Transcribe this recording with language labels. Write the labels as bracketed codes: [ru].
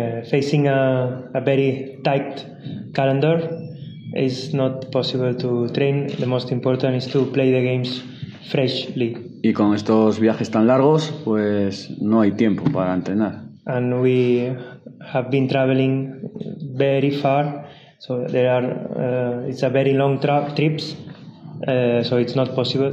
[en] Facing a very tight calendar, it's not possible to train. The most important is to play the games freshly. [es] Y con estos viajes tan largos, pues no hay tiempo para entrenar. [en] And we have been traveling very far, so there are it's a very long trips, so it's not possible.